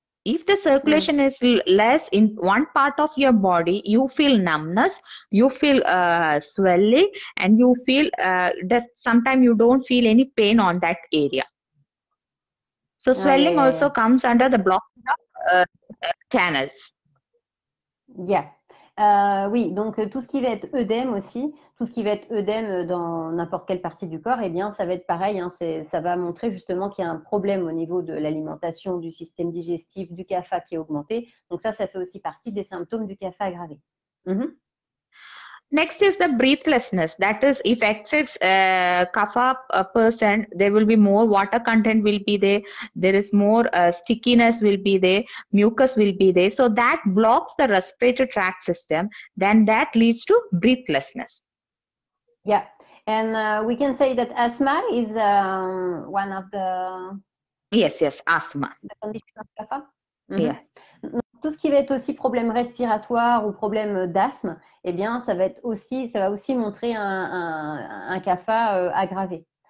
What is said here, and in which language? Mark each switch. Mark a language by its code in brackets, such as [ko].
[en] If the circulation is less in one part of your body, you feel numbness, you feel swelling, and you feel just sometimes you don't feel any pain on that area. So swelling also comes under the block channels. Yeah. [fr] Oui, donc tout ce qui va être œdème aussi, tout ce qui va être œdème dans n'importe quelle partie du corps, eh bien, ça va être pareil, hein, ça va montrer justement qu'il y a un problème au niveau de l'alimentation, du système digestif, du CAFA qui est augmenté. Donc ça fait aussi partie des symptômes du CAFA aggravé. [en] Next is the breathlessness. That is, if excess CAFA person, there will be more water content will be there. There is more stickiness will be there. Mucus will be there. So that blocks the respiratory tract system. Then that leads to breathlessness. Yeah. And we can say that asthma is one of the... Yes, asthma. The condition of CAFA? Yes. [fr] Tout ce qui va être aussi problème respiratoire ou problème d'asthme, eh bien, ça va aussi montrer un CAFA aggravé.